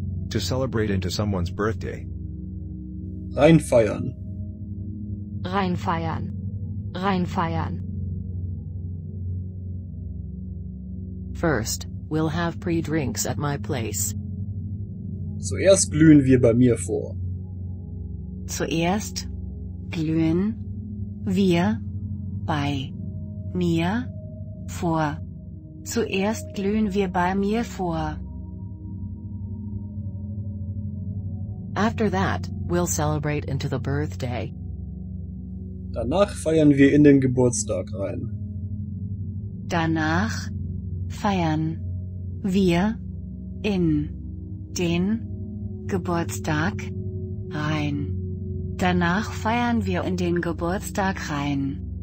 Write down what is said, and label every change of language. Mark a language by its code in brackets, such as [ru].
[en] To celebrate into someone's birthday. [de] Reinfeiern. Reinfeiern. Reinfeiern. [en] First, we'll have pre-drinks at my place. [de] Zuerst glühen wir bei mir vor. Zuerst glühen wir bei mir vor. Zuerst glühen wir bei mir vor. [en] After that, we'll celebrate into the birthday. [de] Danach feiern wir in den Geburtstag rein. Danach feiern wir in den Geburtstag rein. Danach feiern wir in den Geburtstag rein.